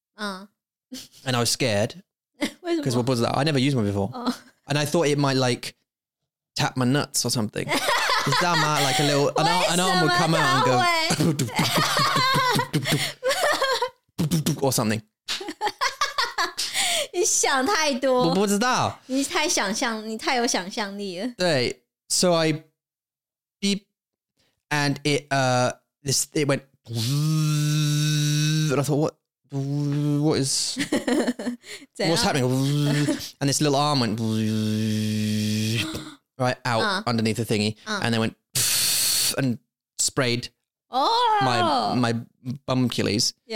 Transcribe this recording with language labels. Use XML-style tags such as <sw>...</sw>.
<en>And I was scared. Because what was that? I never used one before. Oh. And I thought it might like tap my nuts or something. Is that my, like a little, an arm would come out and go, or something.</en> <zh>你想太多。我不知道。你太有想象力了。对,</zh> <en>so I beep, and it went, and I thought, what's happening? And this little arm went, right out underneath the thingy, and they went and sprayed my bumkillies.</en>